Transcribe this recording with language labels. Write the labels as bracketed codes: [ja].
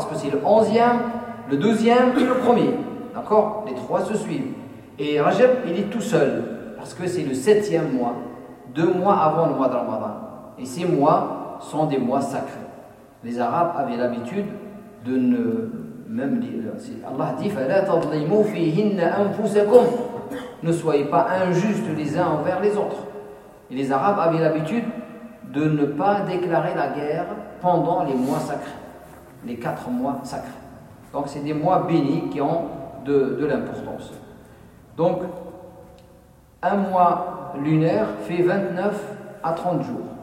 [fr] Parce que c'est le 11e, le 12e et le 1er. D'accord? Les trois se suivent. Et Rajab, il est tout seul. Parce que c'est le 7e mois. 2 mois avant le mois de Ramadan. Et ces mois sont des mois sacrés. Les Arabes avaient l'habitude de ne... Même Allah dit [ar] فَلَا تَظْلِمُوا فِيهِنَّ أَنفُسَكُمْ. [fr] Ne soyez pas injustes les uns envers les autres. Et les Arabes avaient l'habitude de ne pas déclarer la guerre pendant les mois sacrés, les 4 mois sacrés. Donc c'est des mois bénis qui ont de l'importance. Donc un mois lunaire fait 29 à 30 jours.